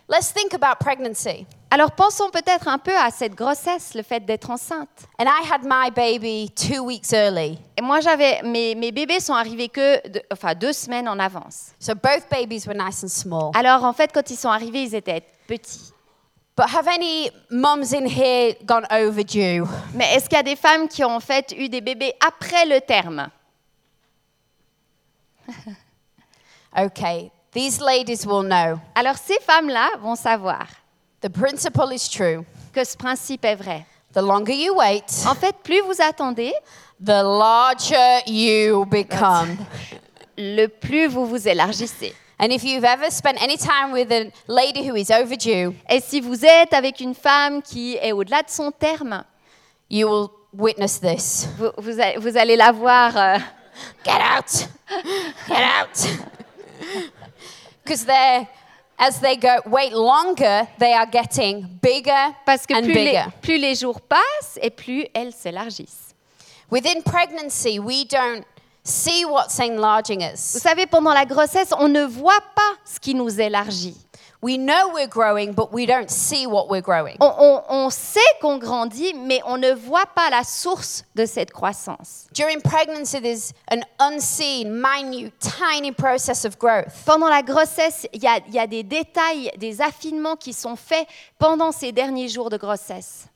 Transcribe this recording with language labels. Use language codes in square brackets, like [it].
[en] Let's think about pregnancy. [fr] Alors pensons peut-être un peu à cette grossesse, le fait d'être enceinte. [en] And I had my baby 2 weeks early. [fr] Et moi j'avais mes bébés sont arrivés que deux semaines en avance. [en] So both babies were nice and small. [fr] Alors en fait quand ils sont arrivés ils étaient petits. [en] But have any moms in here gone overdue? [fr] Mais est-ce qu'il y a des femmes qui ont en fait eu des bébés après le terme? [en] Okay. These ladies will know. [fr] Alors ces femmes-là vont savoir. [en] The principle is true. [fr] Que ce principe est vrai. [en] The longer you wait. [fr] En fait, plus vous attendez. [en] The larger you become. [fr] Le plus vous vous élargissez. [en] And if you've ever spent any time with a lady who is overdue. [fr] Et si vous êtes avec une femme qui est au-delà de son terme. [en] You will witness this. [fr] Vous allez la voir. [en] Get out. Get out. Because they, as they go wait longer, they are getting bigger [fr] parce que [en] and bigger. [fr] Plus les jours passent et plus elles s'élargissent. [en] Within pregnancy, we don't see what's enlarging us. [fr] Vous savez, pendant la grossesse, on ne voit pas ce qui nous élargit. [en] We know we're growing, but we don't see what we're growing. [fr] On sait qu'on grandit, mais on ne voit pas la source de cette croissance. [en] During pregnancy, there's an unseen, minute, tiny process of growth. [fr] Pendant la grossesse, il y a des détails, des affinements qui sont faits pendant ces derniers jours de grossesse.